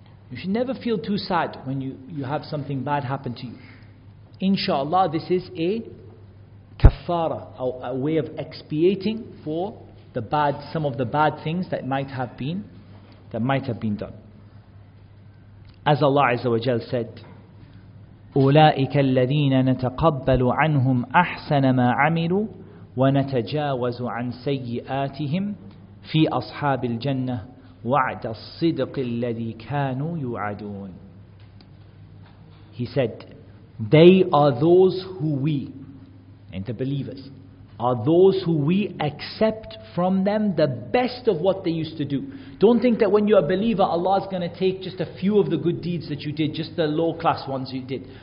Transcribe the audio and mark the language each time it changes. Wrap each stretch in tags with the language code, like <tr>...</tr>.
<en>You should never feel too sad when you have something bad happen to you. Inshallah, this is a kafara, a way of expiating for some of the bad things that might have been done. As Allah Azza wa Jal said,</en> <ar>أُولَٰئِكَ الَّذِينَ نَتَقَبَّلُ عَنْهُمْ أَحْسَنَ مَا عَمِلُوا وَنَتَجَاوَزُ عَنْ سَيِّئَاتِهِمْ فِي أَصْحَابِ الْجَنَّةِ وَعْدَ الصِّدْقِ الَّذِي كَانُوا يُعَدُونَ.</ar> <en>He said, they are those who we, and the believers, are those who we accept from them the best of what they used to do. Don't think that when you're a believer, Allah is going to take just a few of the good deeds that you did, just the low class ones you did.</en>